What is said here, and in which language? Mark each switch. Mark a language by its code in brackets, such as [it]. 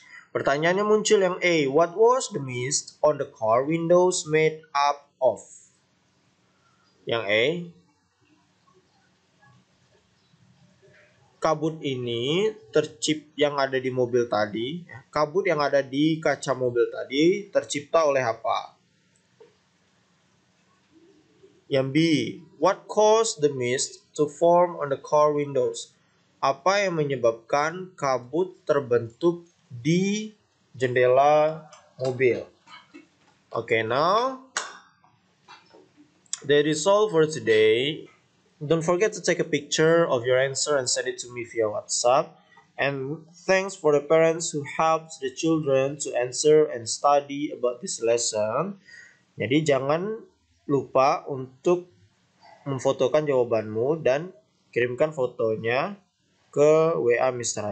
[id] Pertanyaannya muncul yang A, [en] what was the mist on the car windows made up of? [id] Yang A, kabut ini tercipta yang ada di mobil tadi, kabut yang ada di kaca mobil tadi tercipta oleh apa? Yang B, [en] what caused the mist to form on the car windows? [id] Apa yang menyebabkan kabut terbentuk di jendela mobil? [en] Okay, now the result for today. Don't forget to take a picture of your answer and send it to me via WhatsApp. And thanks for the parents who helped the children to answer and study about this lesson. [id] Jadi jangan lupa untuk memfotokan jawabanmu dan kirimkan fotonya ke WA Mr.